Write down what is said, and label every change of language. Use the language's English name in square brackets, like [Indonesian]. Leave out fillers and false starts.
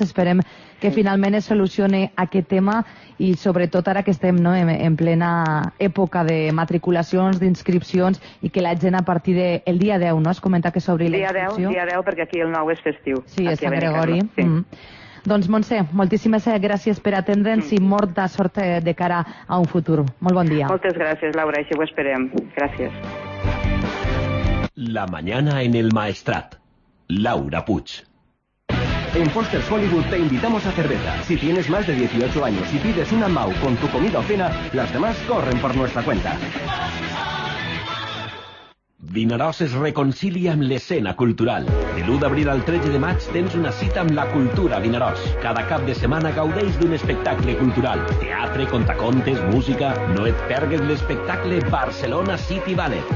[Catalan] Esperem que finalment es solucione aquest tema i sobretot ara que estem, no, en plena època de matriculacions, d'inscripcions i que la gent a partir del dia 10, no, es comenta que s'obri la inscripció. Dia 10, perquè aquí el 9 és festiu. Sí, és Sant Gregori. Sí. Mm. Doncs Montse, moltíssimes gràcies per atendre'ns i molta sort de cara a un futur. Molt bon dia. Moltes gràcies, Laura, així ho esperem. Gràcies. [Spanish] La mañana en el Maestrat. Laura Puig. En Foster's Hollywood te invitamos a cerveza. Si tienes más de 18 años y pides una MAU con tu comida o cena, las demás corren por nuestra cuenta. [Catalan] Vinaròs es reconcilia amb l'escena cultural. De l'1 d'abril al 13 de maig tens una cita amb la cultura Vinaròs. Cada cap de setmana gaudeix d'un espectacle cultural. Teatre, contacontes, música... No et perguis l'espectacle Barcelona City Ballet.